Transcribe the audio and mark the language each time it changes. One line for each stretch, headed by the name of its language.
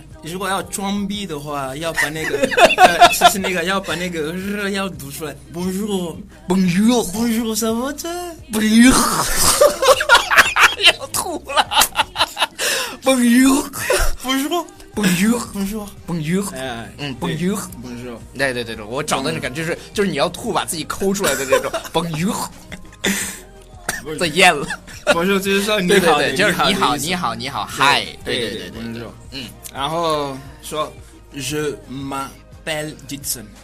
Chinese: 如果要装逼的话，要把那个要把那个日要读出来，
French: Bonjour， Bonjour， Bonjour， ça va bien， Bonjour，
Chinese: 要吐了，
French: Bonjour， Bonjour。 Bonjour，Bonjour，Bonjour，Bonjour。
Chinese: 对对对对，我找的那感觉是，就是你要吐把自己抠出来的那种。
French: Bonjour，
Chinese: 再咽了。
French: Bonjour
Chinese: 就是说你好，对对对，就是你好，你好，你好 ，Hi。对对对
French: ，Bonjour。
Chinese: 然后说 ，
French: Je m'appelle Dixon。